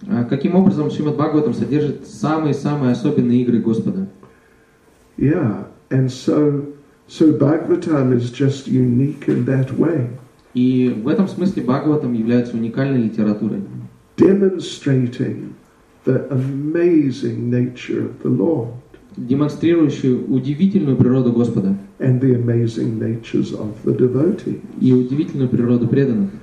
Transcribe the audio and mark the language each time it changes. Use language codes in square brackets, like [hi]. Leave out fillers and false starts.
[ru] Каким образом Шримад Бхагаватам содержит самые-самые особенные игры Господа? [en] Yeah, and so Bhagavatam is just unique in that way. [ru] И в этом смысле Бхагаватам является уникальной литературой. [en] Demonstrating the amazing nature of the Lord. [ru] Демонстрирующую удивительную природу Господа. [en] And the amazing natures of the devotees. [ru] И удивительную природу преданных.